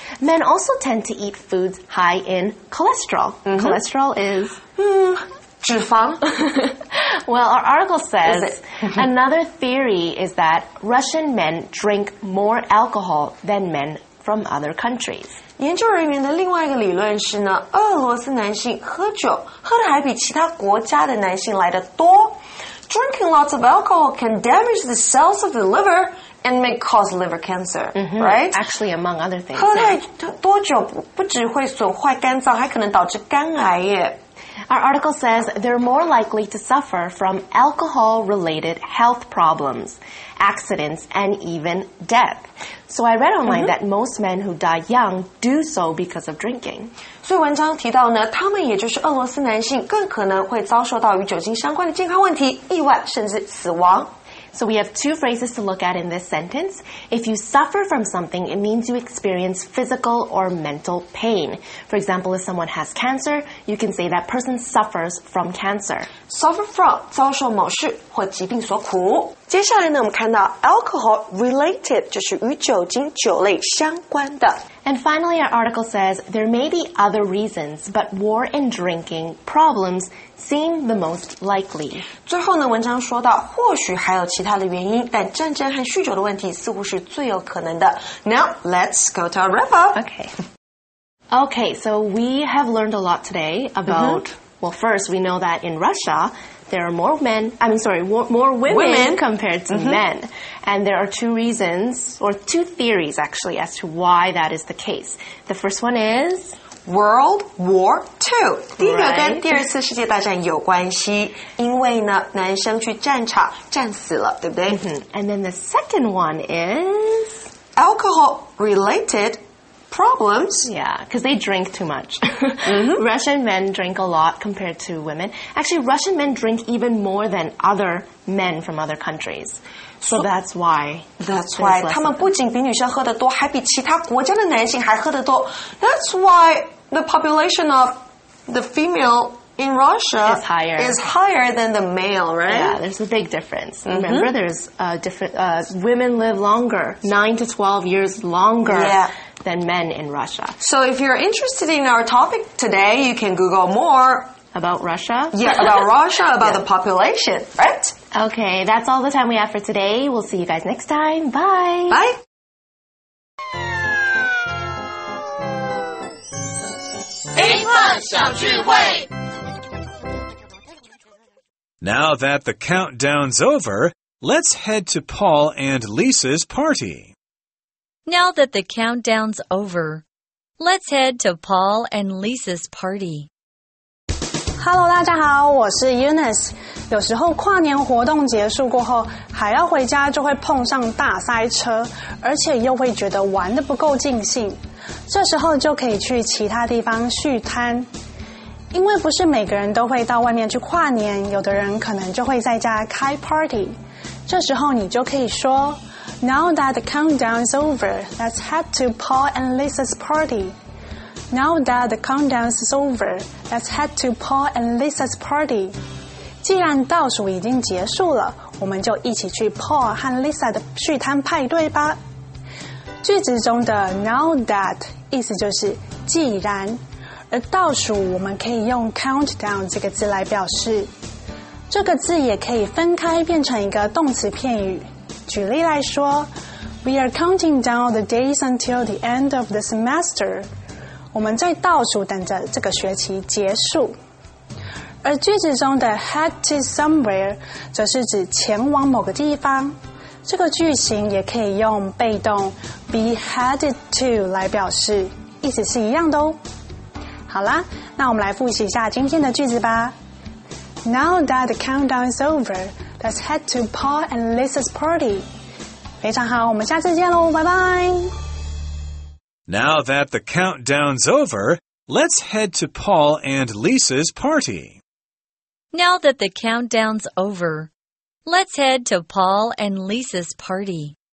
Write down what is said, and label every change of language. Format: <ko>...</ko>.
<en>Men also tend to eat foods high in cholesterol. Cholesterol is...</en> <zh>脂肪</zh> <en>Well, our article says another theory is that Russian men drink more alcohol than men from other countries.</en> <zh>研究人员的另外一个理论是呢，俄罗斯男性喝酒喝的还比其他国家的男性来的多。</zh> <en>Drinking lots of alcohol can damage the cells of the liver and may cause liver cancer, right? Actually, among other things.</en> <zh>喝太多酒 不只会损坏肝脏，还可能导致肝癌耶。</zh> <en>Our article says they're more likely to suffer from alcohol-related health problems, accidents, and even death. So I read online that most men who die young do so because of drinking.</en> <zh>所以文章提到呢，他们也就是俄罗斯男性更可能会遭受到与酒精相关的健康问题，意外，甚至死亡。</zh> <en>So we have two phrases to look at in this sentence. If you suffer from something, it means you experience physical or mental pain. For example, if someone has cancer, you can say that person suffers from cancer. Suffer from,</en> <zh>遭受某事或疾病所苦。接下来呢，我们看到</zh> <en>alcohol related</en> <zh>就是与酒精酒类相关的。</zh> <en>And finally, our article says there may be other reasons, but war and drinking problems seem the most likely.</en> <zh>最后呢，文章说到或许还有其他的原因，但战争和酗酒的问题似乎是最有可能的。</zh> <en>Now let's go to our wrap up. Okay, so we have learned a lot today about, well, first we know that in Russia,There are more men, I mean, sorry, more women compared to men. And there are two reasons, or two theories, actually, as to why that is the case. The first one is... World War II.</en> <zh>第一个跟第二次世界大战有关系，因为呢，男生去战场战死了，对不对？</zh> <en>And then the second one is... Alcohol-related problems. Yeah, because they drink too much. Russian men drink a lot compared to women. Actually, Russian men drink even more than other men from other countries. So that's why. That's why.</en> <zh>他们不仅比女生喝得多，还比其他国家的男性还喝得多。</zh> <en>That's why the population of the female in Russia is higher than the male, right? Yeah, there's a big difference. Remember, there's women live longer, 9 to 12 years longer. Yeah. Than men in Russia. So if you're interested in our topic today, you can Google more. About Russia? Yeah, about Russia, about the population, right? Okay, that's all the time we have for today. We'll see you guys next time. Bye! Bye! Now that the countdown's over, let's head to Paul and Lisa's party. Now that the countdown's over, let's head to Paul and Lisa's party. Hello,</en> <zh>大家好，我是 Eunice。有时候跨年活动结束过后，还要回家就会碰上大塞车，而且又会觉得玩得不够尽兴。这时候就可以去其他地方续摊。因为不是每个人都会到外面去跨年，有的人可能就会在家开 party。这时候你就可以说</zh> <en>,Now that the countdown is over, let's head to Paul and Lisa's party. Now that the countdown is over, let's head to Paul and Lisa's party.</en> <zh>既然倒数已经结束了，我们就一起去 Paul 和 Lisa 的续摊派对吧。句子中的</zh> <en>now that</en> <zh>意思就是既然，而倒数我们可以用 countdown 这个字来表示。这个字也可以分开变成一个动词片语。举例来说</zh> <en>,We are counting down the days until the end of the semester.</en> <zh>我们在倒数等着这个学期结束。而句子中的</zh> <en>head to somewhere</en> <zh>则是指前往某个地方。这个句型也可以用被动</zh> <en>be headed to</en> <zh>来表示，意思是一样的哦。好啦，那我们来复习一下今天的句子吧。</zh> <en>Now that the countdown is over, let's head to Paul and Lisa's party.</en> <zh>非常好，我们下次见咯，拜拜。</zh> <en>Now that the countdown's over, let's head to Paul and Lisa's party. Now that the countdown's over, let's head to Paul and Lisa's party.</en>